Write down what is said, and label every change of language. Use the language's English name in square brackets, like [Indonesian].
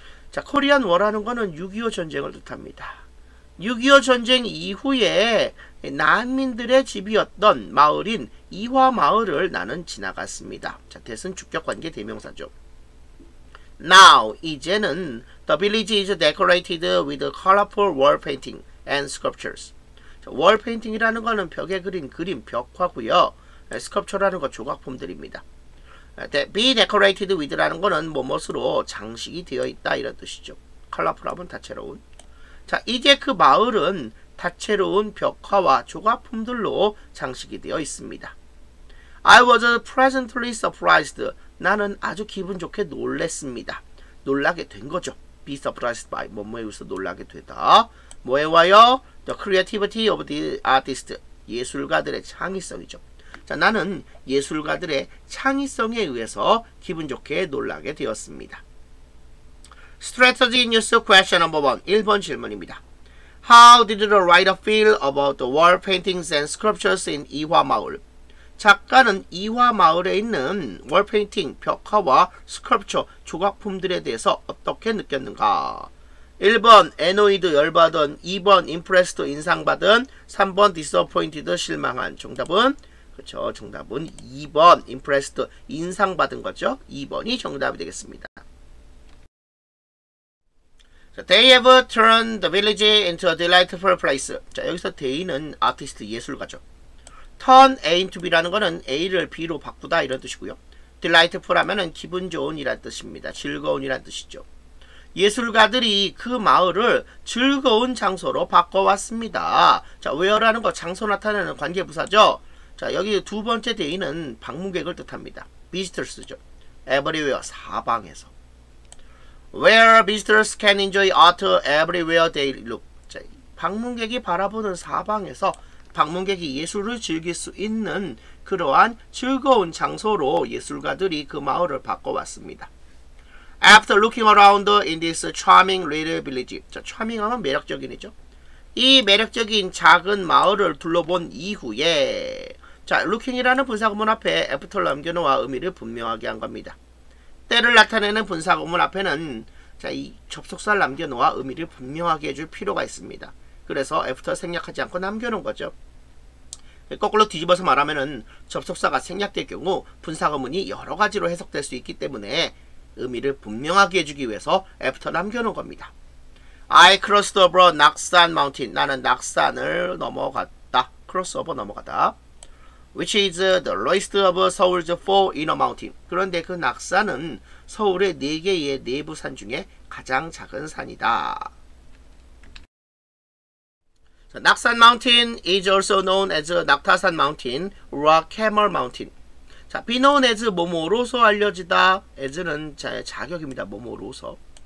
[Korean] 자, 코리안 워라는 거는 6.25 전쟁을 뜻합니다. 6.25 전쟁 이후에 난민들의 집이었던 마을인 이화 마을을 나는 지나갔습니다. 자, 대신 주격 관계 대명사죠. [English] Now, [Korean] 이제는 [English] the village is decorated with colorful wall painting and sculptures. [Korean] 자, wall painting이라는 거는 벽에 그린 그림, 벽화고요. sculpture라는 거 조각품들입니다. [English] Be decorated with [Korean] 라는 거는 무엇으로 장식이 되어 있다 이런 뜻이죠. 컬러풀하면 다채로운. 자, 이제 그 마을은 다채로운 벽화와 조각품들로 장식이 되어 있습니다. [English] I was pleasantly surprised. [Korean] 나는 아주 기분 좋게 놀랬습니다. 놀라게 된 거죠. [English] Be surprised by [Korean] 뭐뭐에 의해서 놀라게 되다. 뭐에 와요? [English] The creativity of the artist. [Korean] 예술가들의 창의성이죠. 자, 나는 예술가들의 창의성에 의해서 기분 좋게 놀라게 되었습니다. [English] Strategy in use question number 1. [Korean] 1번 질문입니다. [English] How did the writer feel about the wall paintings and sculptures in 이화마을? [Korean] 작가는 이화마을에 있는 wall painting, 벽화와 sculpture, 조각품들에 대해서 어떻게 느꼈는가? 1번 annoyed 열받은, 2번 impressed 인상받은, 3번 disappointed 실망한. 정답은? 그렇죠. 정답은 2번 impressed 인상받은 거죠. 2번이 정답이 되겠습니다. [English] So, they have turned the village into a delightful place. [Korean] 자, 여기서 they는 아티스트 예술가죠. [English] turn A into B [Korean] 라는 거는 A를 B로 바꾸다 이런 뜻이고요. delightful 하면은 기분 좋은 이란 뜻입니다. 즐거운 이란 뜻이죠. 예술가들이 그 마을을 즐거운 장소로 바꿔왔습니다. 자, where라는 거 장소 나타내는 관계부사죠. 자, 여기 두 번째 대인은 방문객을 뜻합니다. visitors죠. everywhere, 사방에서. [English] where visitors can enjoy art everywhere they look. [Korean] 자, 방문객이 바라보는 사방에서 방문객이 예술을 즐길 수 있는 그러한 즐거운 장소로 예술가들이 그 마을을 바꿔왔습니다. [English] After looking around in this charming little village. [Korean] 자, charming 하면 매력적인이죠. 이 매력적인 작은 마을을 둘러본 이후에, 자, looking이라는 분사구문 앞에 after를 남겨놓아 의미를 분명하게 한 겁니다. 때를 나타내는 분사구문 앞에는, 자, 이 접속사를 남겨놓아 의미를 분명하게 해줄 필요가 있습니다. 그래서 after 생략하지 않고 남겨놓은 거죠. 거꾸로 뒤집어서 말하면은 접속사가 생략될 경우 분사구문이 여러 가지로 해석될 수 있기 때문에 의미를 분명하게 해주기 위해서 after 남겨놓은 겁니다. [English] I crossed over Naksan Mountain. [Korean] 나는 낙산을 넘어갔다. [English] Cross over [Korean] 넘어갔다. [English] Which is the lowest of Seoul's four inner mountains. [Korean] 그런데 그 낙산은 서울의 네 개의 내부 산 중에 가장 작은 산이다. [English] 자, 낙산 Mountain is also known as 낙타산 Mountain or Camel Mountain. [Korean] 자, be known as 뭐뭐로서 알려지다. as는 자격입니다. 뭐뭐로서.